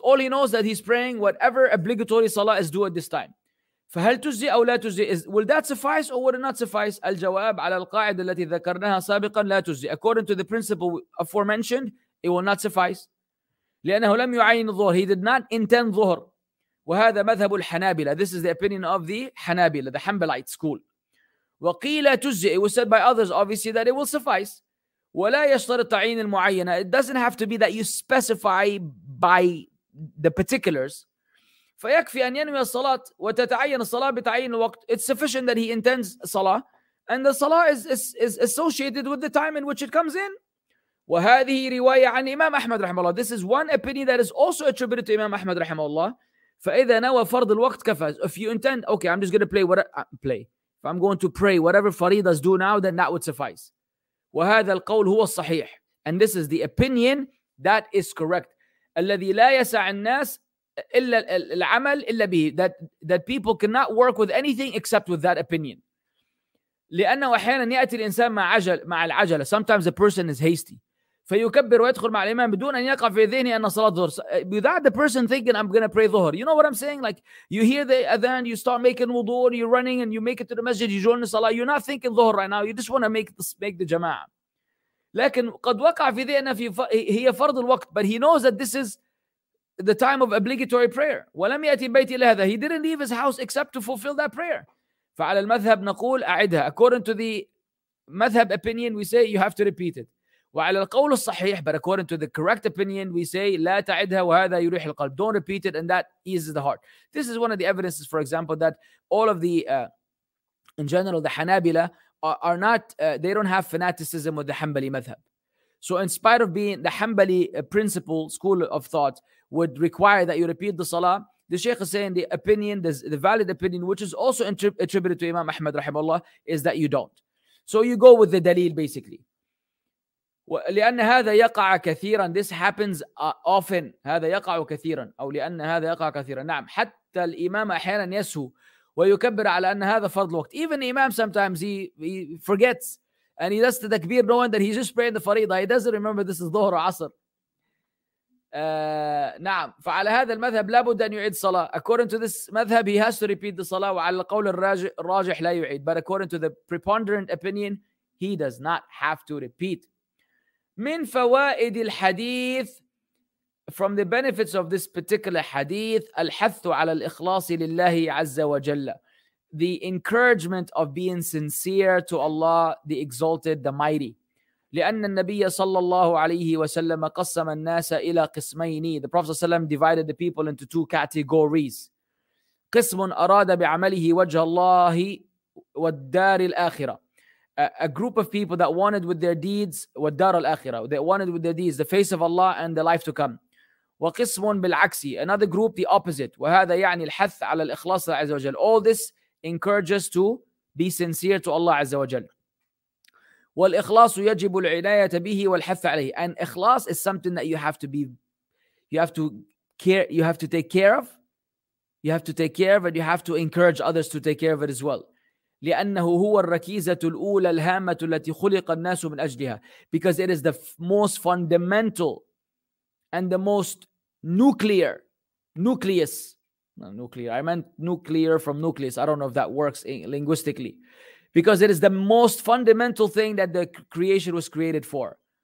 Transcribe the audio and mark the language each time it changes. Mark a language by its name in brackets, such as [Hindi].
[English] All he knows that he's praying whatever obligatory salah is due at this time. [Arabic] فهل تجزي أو لا تجزي? [English] Will that suffice or would it not suffice? [Arabic] الجواب على القاعدة التي ذكرناها سابقا لا تجزي. [English] According to the principle aforementioned, it will not suffice. [Arabic] لأنه لم يعين الظهر. [English] He did not intend [Arabic] ظهر. وهذا مذهب الحنابلة. [English] This is the opinion of the حنابلة, the Hanbalite school. [Arabic] وقيل تجزي. [English] It was said by others obviously that it will suffice. [Arabic] ولا يشترط تعيين المعينة. [English] It doesn't have to be that you specify by the particulars. [Arabic] فيكفي أن ينوي الصلاة وتتعين الصلاة بتعيين الوقت. [English] It's sufficient that he intends صلاة, and the صلاة is associated with the time in which it comes in. [Arabic] وهذه رواية عن إمام أحمد رحمه الله. [English] This is one opinion that is also attributed to إمام أحمد رحمه الله. [Arabic] فإذا نوى فرض الوقت كفى. [English] If you intend, okay, I'm just going to play if I'm going to pray whatever faridas do now, then that would suffice. [Arabic] وهذا القول هو الصحيح. [English] And this is the opinion that is correct. [Arabic] الذي لا يسع الناس إلا العمل إلا به. [English] That people cannot work with anything except with that opinion. [Arabic] لأنه أحيانا يأتي الإنسان مع العجلة. [English] Sometimes a person is hasty. [Arabic] فيكبر ويدخل مع الإمام بدون أن يقع في ذهني أن صلاة ظهر. [English] Without the person thinking I'm going to pray ظهر. You know what I'm saying? Like you hear the adhan, you start making wudu, you're running and you make it to the masjid, you join the salah. You're not thinking ظهر right now. You just want to make the jama'. [Arabic] لكن قد وقع في ذهنه في هي فرض الوقت. [English] But he knows that this is the time of obligatory prayer. [Arabic] ولم يأتي بيتي إلا هذا. [English] He didn't leave his house except to fulfill that prayer. [Arabic] فعلى المذهب نقول أعدها. [English] According to the مذهب opinion, we say you have to repeat it. [Arabic] وعلى القول الصحيح, [English] but according to the correct opinion, we say [Arabic] لا تعدها وهذا يريح القلب. [English] Don't repeat it and that eases the heart. This is one of the evidences, for example, that all of the, in general, the Hanabila are not, they don't have fanaticism with the Hanbali madhab. So in spite of being the Hanbali principle, school of thought, would require that you repeat the salah, the Shaykh is saying the opinion, the valid opinion, which is also attributed to Imam Ahmad rahimahullah, is that you don't. So you go with the dalil basically. [Arabic] لأن هذا يقع كثيرا. [English] This happens often. [Arabic] هذا يقع كثيرا. أو لأن هذا يقع كثيرا. نعم. حتى الإمام أحيانا يسهو ويكبر على أن هذا فرض الوقت. [English] Even the Imam sometimes he forgets and he does the takbir knowing that he's just praying the faridah. He doesn't remember this is ظهر عصر. [Arabic] نعم. فعلى هذا المذهب لابد أن يعيد صلاة. [English] According to this مذهب he has to repeat the صلاة. [Arabic] وعلى القول الراجح لا يعيد. [English] But according to the preponderant opinion he does not have to repeat. [Arabic] من فوائد الحديث, [English] from the benefits of this particular hadith, [Arabic] الحث على الإخلاص لله عز وجل, [English] the encouragement of being sincere to Allah, the exalted, the mighty. [Arabic] لأن النبي صلى الله عليه وسلم قسم الناس إلى قسمين. [English] The Prophet صلى الله عليه وسلم divided the people into two categories. [Arabic] قسم أراد بعمله وجه الله والدار الآخرة. [English] A group of people that wanted with their deeds [Arabic] والدار الآخرة. [English] They wanted with their deeds the face of Allah and the life to come. [Arabic] وقسم بالعكسي. [English] Another group, the opposite. [Arabic] وهذا يعني الحث على الإخلاص عز وجل. [English] All this encourages to be sincere to Allah عز وجل. [Arabic] والإخلاص يجب العناية به والحث عليه. [English] And إخلاص is something that you have to be, you have to care, you have to take care of. You have to take care of it. You have to encourage others to take care of it as well. [Arabic] لأنه هو الركيزة الأولى الهامة التي خلق الناس من أجلها. [English] Because it is the most fundamental and the most nuclear, nucleus. Not nuclear, I meant nuclear from nucleus. I don't know if that works linguistically. Because it is the most fundamental thing that the creation was created for.